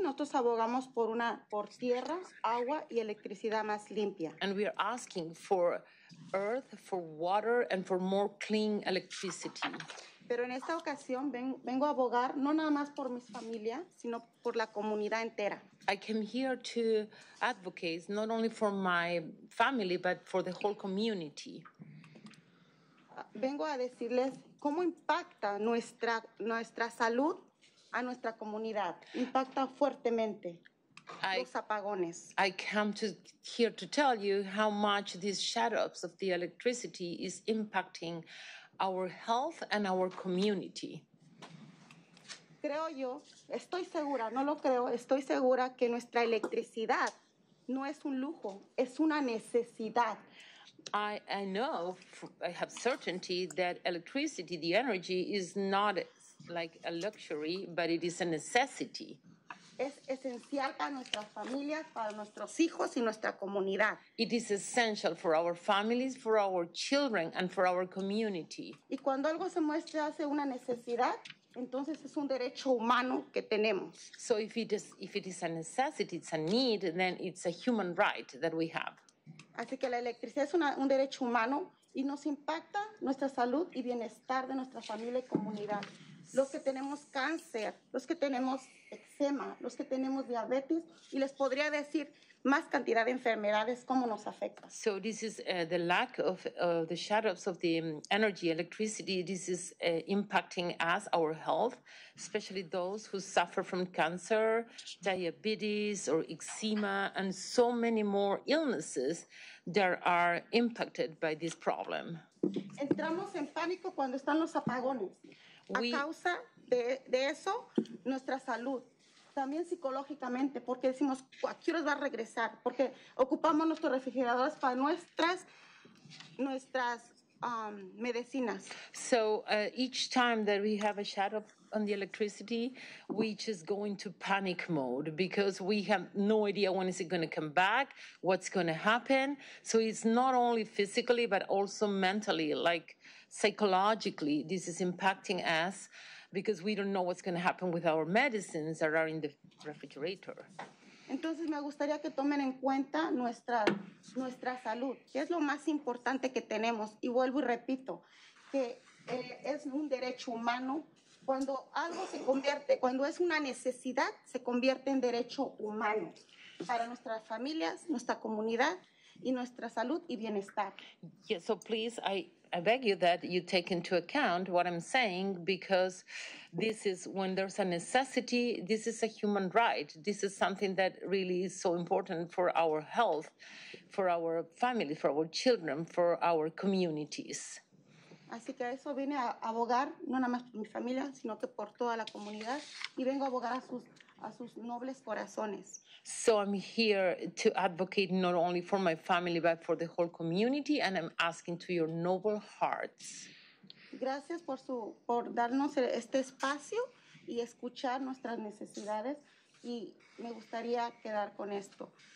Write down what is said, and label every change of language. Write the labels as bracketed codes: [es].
[es] Nosotros abogamos por una, por tierra, agua y electricidad más limpia. [en] And we are asking for earth, for water, and for more clean electricity. [es] Pero en esta ocasión vengo a abogar no nada más por mis familias, sino por la comunidad entera. [en] I came here to advocate not only for my family, but for the whole community. [es] Vengo a decirles cómo impacta nuestra salud a nuestra comunidad, impacta fuertemente los apagones. [en] I come to here to tell you how much these shutoffs of the electricity is impacting our health and our community. [es] Creo yo, estoy segura, no lo creo, estoy segura que nuestra electricidad no es un lujo, es una necesidad. [en] I know, I have certainty that electricity, the energy, is not like a luxury, but it is a necessity. [es] Es esencial para nuestras familias, para nuestros hijos y nuestra comunidad. [en] It is essential for our families, for our children, and for our community. [es] Y cuando algo se muestra hace una necesidad, entonces es un derecho humano que tenemos. [en] So if it is a necessity, it's a need, then it's a human right that we have. [es] Así que la electricidad es un derecho humano y nos impacta nuestra salud y bienestar de nuestra familia y comunidad. Los que tenemos cáncer, los que tenemos eczema, los que tenemos diabetes, y les podría decir más cantidad de enfermedades, cómo nos afecta. [en] So this is the lack of the shutoffs of the energy, electricity. This is impacting us, our health, especially those who suffer from cancer, diabetes, or eczema, and so many more illnesses that are impacted by this problem. [es] Entramos en pánico cuando están los apagones. A causa de eso, nuestra salud, también psicológicamente, porque decimos, ¿a qué horas va a regresar? Porque ocupamos nuestros refrigeradores para nuestras medicinas. [en] So each time that we have a shut off on the electricity, we just go into panic mode because we have no idea when is it going to come back, what's going to happen. So it's not only physically, but also mentally, like psychologically, this is impacting us because we don't know what's going to happen with our medicines that are in the refrigerator. [es] Entonces, me gustaría que tomen en cuenta nuestra salud, que es lo más importante que tenemos. Y vuelvo y repito, que es un derecho humano. Cuando algo se convierte, cuando es una necesidad, se convierte en derecho humano para nuestras familias, nuestra comunidad, y nuestra salud y bienestar. [en] Yes, so please, I beg you that you take into account what I'm saying, because this is when there's a necessity, this is a human right. This is something that really is so important for our health, for our family, for our children, for our communities. [es] Así que a eso vine a abogar, no nada más por mi familia, sino que por toda la comunidad, y vengo a abogar a sus nobles corazones. [en] So I'm here to advocate not only for my family, but for the whole community, and I'm asking to your noble hearts. [es] Gracias por darnos este espacio y escuchar nuestras necesidades, y me gustaría quedar con esto.